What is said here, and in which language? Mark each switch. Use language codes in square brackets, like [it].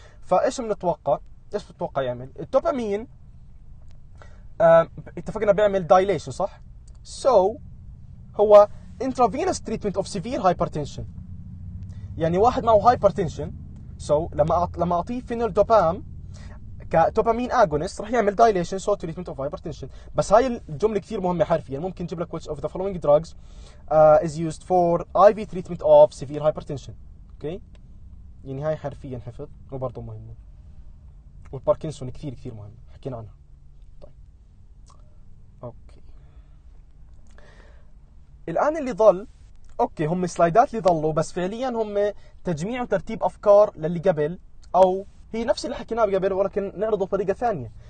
[ar] فايش بنتوقع؟ ايش بتتوقع يعمل الدوبامين؟ اتفقنا بيعمل دايليشن صح. سو هو انترافينوس تريتمنت اوف سيفير هايبرتنشن. يعني واحد معه هايبرتنشن، سو لما اعطيه فينول دوبام كدوبامين اغونست راح يعمل دايليشن سو تريتمنت اوف هايبرتنشن. بس هاي الجمله كثير مهمه حرفيا. ممكن تجيب لك [en] which of the following drugs is used for IV treatment of severe hypertension. [ar] اوكي يعني هاي حرفيا حفظ وبرضه مهمه. والباركنسون كثير كثير مهم حكينا عنها. طيب اوكي الان اللي ضل، اوكي هم سلايدات اللي ضلوا بس فعليا هم تجميع وترتيب افكار للي قبل، او هي نفس اللي حكيناها قبل ولكن نعرضه بطريقه ثانيه.